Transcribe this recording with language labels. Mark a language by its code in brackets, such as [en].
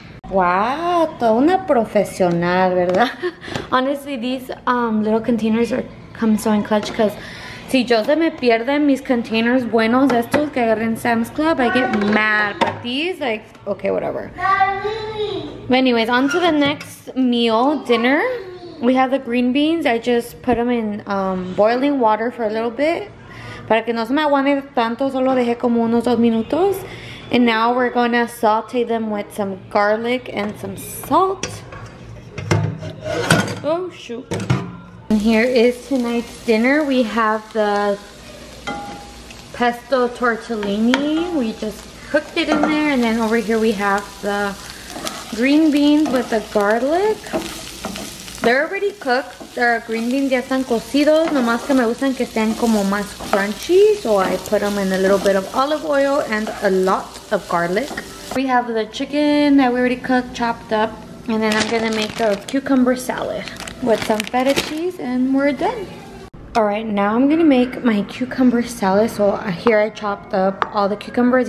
[en] Wow, [es] toda una profesional, verdad? [en] Honestly, these little containers are come so in clutch, because [es] si yo se me pierden mis [en] containers [es] buenos estos que agarré en [en] Sam's Club, I get mad. But these, like, okay, whatever. But anyways, on to the next meal, dinner. We have the green beans. I just put them in boiling water for a little bit. [es] Para que no se me aguante tanto, solo dejé como unos 2 minutos. [en] And now we're gonna saute them with some garlic and some salt. Oh, shoot. And here is tonight's dinner. We have the pesto tortellini. We just cooked it in there. And then over here we have the green beans with the garlic. They're already cooked. Their green beans [es] ya están cocidos. Nomás que me gustan que estén como más crunchy. [en] So I put them in a little bit of olive oil and a lot of garlic. We have the chicken that we already cooked, chopped up. And then I'm gonna make a cucumber salad with some feta cheese, and we're done. All right, now I'm gonna make my cucumber salad. So here I chopped up all the cucumbers.